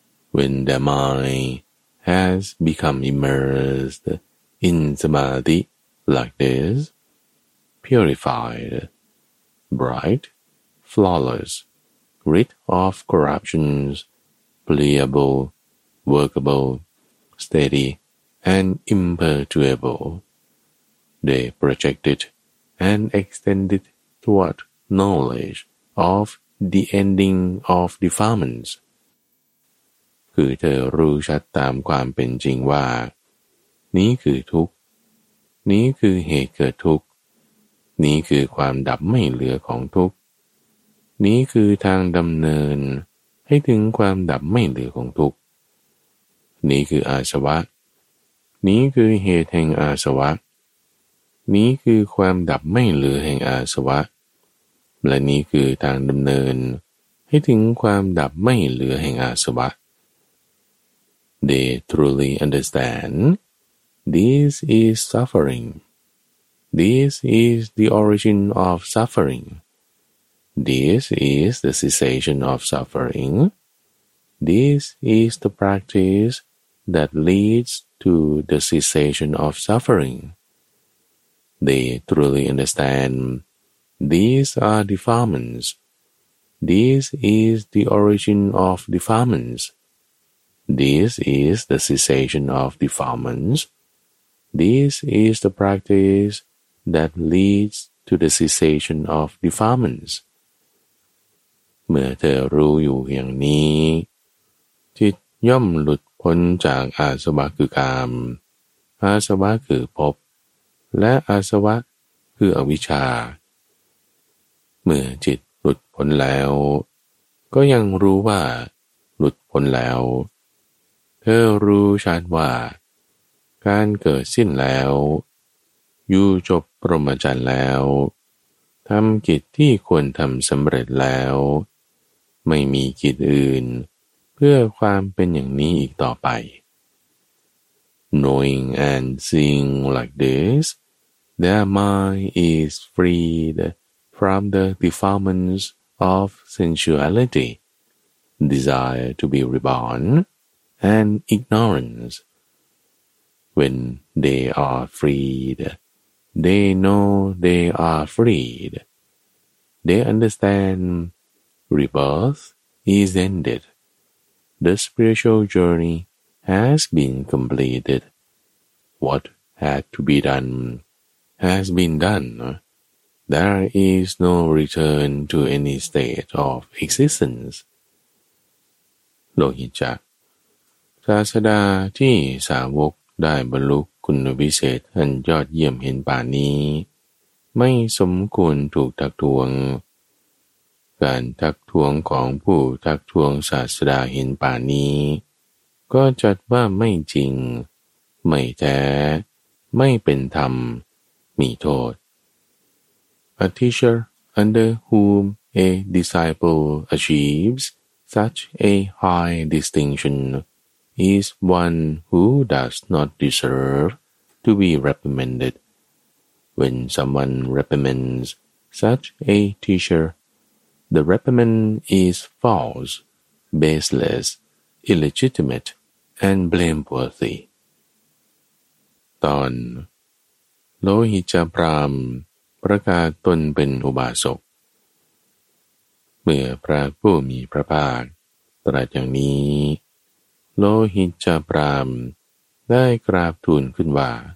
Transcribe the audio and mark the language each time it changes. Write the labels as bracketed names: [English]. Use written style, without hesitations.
[English] When the mind has become immersed in samadhi like this, purified, bright, flawless, rid of corruptions, pliable, workable, steady, and imperturbable. They projected and extended toward knowledge of the ending of defilements. [Thai] คือเธอรู้ชัดตามความเป็นจริงว่านี้คือทุกข์นี้คือเหตุเกิดทุกข์นี้คือความดับไม่เหลือของทุกข์นี้คือทางดำเนินให้ถึงความดับไม่เหลือของทุกข์นี้คืออาสวะนี้คือเหตุแห่งอาสวะนี้คือความดับไม่เหลือแห่งอาสวะและนี้คือทางดำเนินให้ถึงความดับไม่เหลือแห่งอาสวะ [English] They truly understand this is suffering. This is the origin of suffering. This is the cessation of suffering. This is the practice that leads to the cessation of suffering. They truly understand these are defilements. This is the origin of defilements. This is the cessation of defilements. This is the practice that leads to the cessation of defilements. [Thai] เมื่อเธอรู้อยู่อย่างนี้จิตย่อมหลุดพ้นจากอาสวะคือกามอาสวะคือภพและอาสวะคืออวิชชา เมื่อจิตหลุดพ้นแล้วก็ยังรู้ว่าหลุดพ้นแล้วเธอรู้ชัดว่าการเกิดสิ้นแล้วอยู่จบพรหมจรรย์แล้วทำกิจที่ควรทำสำเร็จแล้วไม่มีกิจอื่นเพื่อความเป็นอย่างนี้อีกต่อไป [English] Knowing and seeing like this, their mind is freed from the defilements of sensuality, desire to be reborn, and ignorance. when they are freed, they know they are freed. They understand rebirth is ended. The spiritual journey has been completed. What had to be done has been done. There is no return to any state of existence. Lohicca. [Thai] ศาสดาที่สาวกได้บรรลุคุณวิเศษอันยอดเยี่ยมเห็นป่านนี้ไม่สมควรถูกทักท้วงการทักท้วงของผู้ทักท้วงศาสดาเห็นป่านนี้ก็จัดว่าไม่จริงไม่แท้ไม่เป็นธรรมมีโทษ [English] A teacher under whom a disciple achieves such a high distinction is one who does not deserve to be reprimanded. When someone reprimands such a teacher, the reprimand is false, baseless, illegitimate, and blameworthy. [Thai] ตอนโลหิตพราหมณ์ประกาศตนเป็นอุบาสกเมื่อพระผู้มีพระภาคตรัสอย่างนี้โลหิตพราหมณ์ได้กราบทูลขึ้นว่า